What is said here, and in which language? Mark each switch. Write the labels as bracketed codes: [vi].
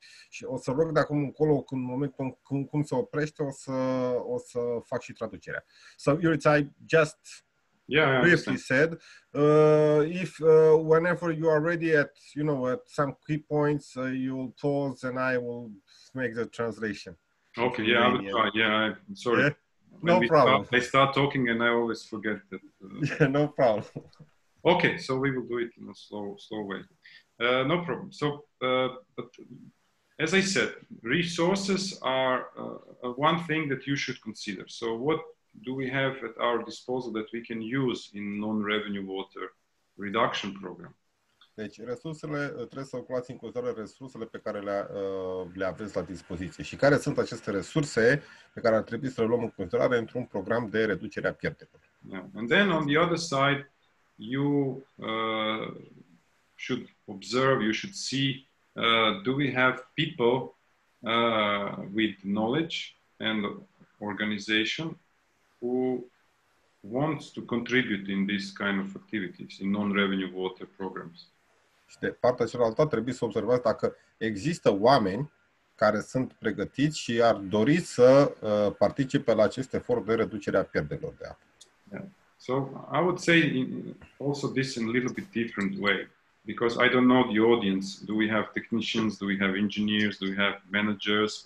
[ro] Și o să rog de acum încolo, în momentul cum se oprește, o să fac și traducerea. [en] So, Iurița, I just briefly said, whenever you are ready at some key points, you'll pause and I will make the translation. Okay, yeah, I'll try. Yeah, I'm sorry. Yeah? No problem. I start talking and I always forget that. Yeah, no problem. Okay, so we will do it in a slow way. No problem. So, but as I said, resources are one thing that you should consider. So what do we have at our disposal that we can use in non-revenue water reduction program? [ro] Deci, resursele, trebuie să calculați în considerare resursele pe care le aveți la dispoziție. Și care sunt aceste resurse pe care ar trebui să le luăm în considerare într-un program de reducere a pierderilor? [en] Yeah. And then on the other side, you should observe, you should see, do we have people with knowledge and organization who wants to contribute in this kind of activities, in non-revenue water programs? [ro] Și de partea cealaltă trebuie să observați dacă există oameni care sunt pregătiți și ar dori să participe la acest efort de reducere a pierderilor de apă. [en] So I would say also this in a little bit different way, because I don't know the audience. Do we have technicians? Do we have engineers? Do we have managers?